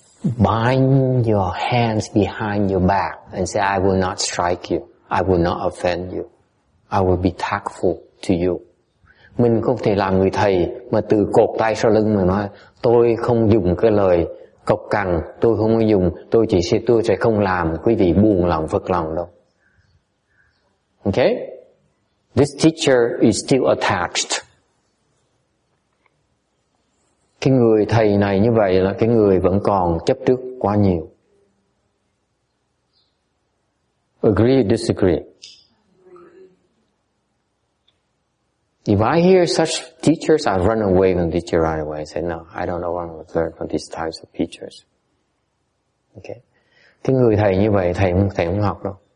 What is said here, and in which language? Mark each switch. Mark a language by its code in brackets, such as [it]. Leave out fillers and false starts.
[en] bind your hands behind your back and say, I will not strike you. I will not offend you. I will be tactful to you. [vi] Mình không thể làm người thầy mà tự cột tay sau lưng mà nói tôi không dùng cái lời cộc cằn, tôi không dùng, tôi sẽ không làm quý vị buồn lòng, phật lòng đâu. [en] Okay? This teacher is still attached. [vi] Cái người thầy này như vậy là cái người vẫn còn chấp trước quá nhiều. [en] Agree or disagree? If I hear such teachers, I run away from the teacher right away. I say, no, I don't want to learn from these types of teachers. Okay. [vi] Thế người thầy như vậy, thầy không học đâu.